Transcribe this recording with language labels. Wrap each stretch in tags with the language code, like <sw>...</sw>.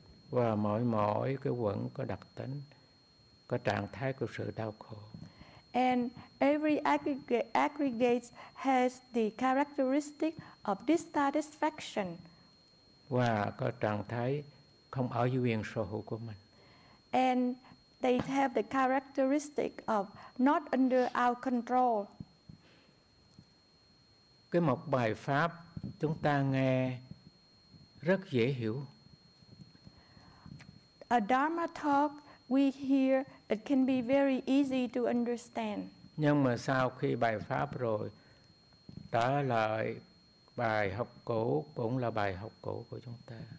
<vi>Và mỗi mỗi cái vẫn có đặc tính, có trạng thái của sự đau khổ.</vi> <en>And every aggregate has the characteristic of dissatisfaction.</en> <vi>Và có trạng thái không ở dưới quyền sở hữu của mình.</vi> <en>And they have the characteristic of not under our control.</en> <vi>Cái một bài pháp chúng ta nghe rất dễ hiểu.</vi> <en>A Dharma talk we hear, it can be very easy to understand.</en> <vi>Nhưng mà sau khi bài pháp rồi, trở lại bài học cũ cũng là bài học cũ của chúng ta.</vi>